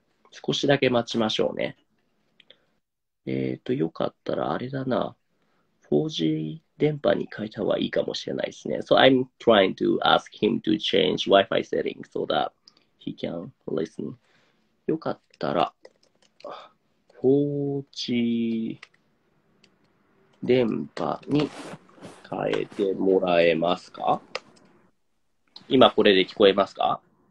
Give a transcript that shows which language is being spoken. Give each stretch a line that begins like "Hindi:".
Japanese: 少しだけ待ちましょうね。よかったらあれだな。4G? 電波に変えた方がいいかもしれないですね。
English: So I'm trying to ask him to change Wi-Fi setting so that he can listen.
Japanese: よかったら、4G 電波に変えてもらえますか？今これで聞こえますか？